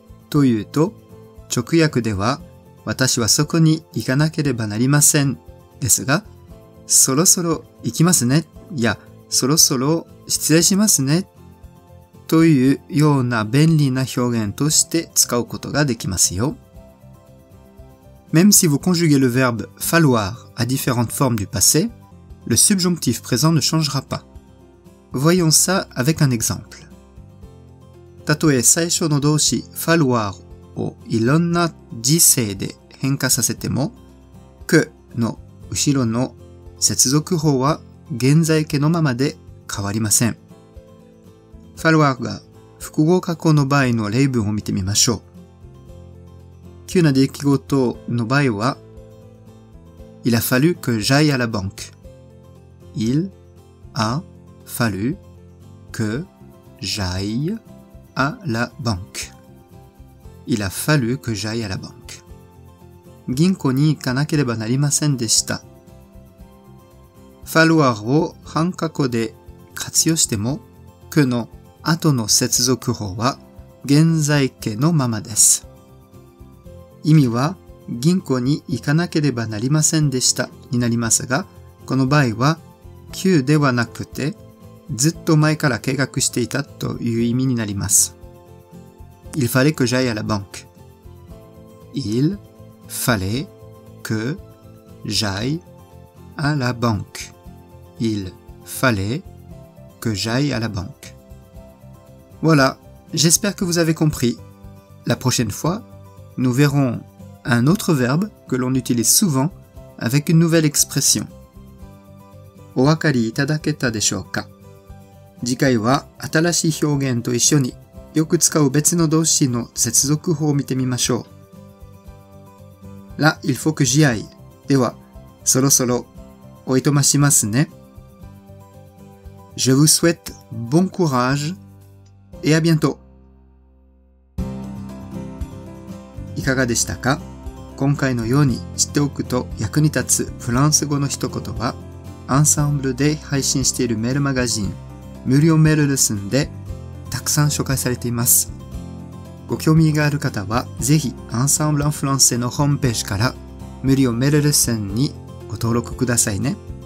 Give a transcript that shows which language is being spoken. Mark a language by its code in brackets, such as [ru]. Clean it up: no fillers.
[ja] というと、直訳では、私はそこに行かなければなりませんですが、そろそろ行きますね、や、そろそろ失礼しますね、というような便利な表現として使うことができますよ。 [fr] Même si vous conjuguez le verbe falloir à différentes formes du passé, le subjonctif présent ne changera pas. Voyons ça avec un exemple. [ja] たとえ最初の動詞 falloir をいろんな時世で変化させても、que の後ろの接続法は現在形のままで変わりません。 falloir が複合過去の場合の例文を見てみましょう。急な出来事の場合は、 [fr] Il a fallu que j'aille à la banque. Il a fallu que j'aille à la banque. Il a fallu que j'aille à la banque. [ja] 銀行に行かなければなりませんでした。 falloir を半過去で活用しても、que の後の接続法は現在形のままです。意味は銀行に行かなければなりませんでしたになりますが、この場合は急ではなくてずっと前から計画していたという意味になります。 [fr] Il fallait que j'aille à la banque. Il fallait que j'aille à la banque. Il fallait que j'aille à la banque. Voilà, j'espère que vous avez compris. La prochaine fois,Nous verrons un autre verbe que l'on utilise souvent avec une nouvelle expression. [ja] お分かりいただけたでしょうか?次回は新しい表現と一緒によく使う別の動詞の接続法を見てみましょう。 [fr] Là, il faut que j'y aille. [ja] では、そろそろおいとましますね。 [fr] Je vous souhaite bon courage et à bientôt. [ja] いかがでしたか? 今回のように知っておくと役に立つフランス語の一言は、アンサンブルで配信しているメールマガジン、無料メールレッスンでたくさん紹介されています。ご興味がある方は、ぜひアンサンブルアンフランセのホームページから無料メールレッスンにご登録くださいね。